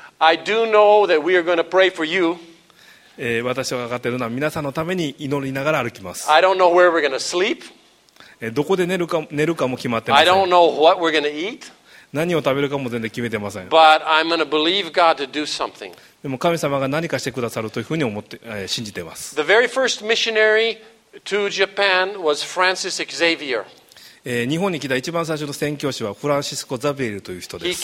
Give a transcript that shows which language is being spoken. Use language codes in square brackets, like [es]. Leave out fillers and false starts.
[en] I do know that we are going to pray for you. [ja] 私が分かっているのは皆さんのために祈りながら歩きます。 [en] I don't know where we're going to sleep. [ja] どこで寝るかも決まってません。 [en] I don't know what we're going to eat. [ja] 何を食べるかも全然決めてません。 [en] But I'm going to believe God to do something. [ja] でも神様が何かしてくださるというふうに思って、信じています。 [en] The very first missionary to Japan was Francis Xavier. [ja] 日本に来た一番最初の宣教師はフランシスコ・ザビエルという人です。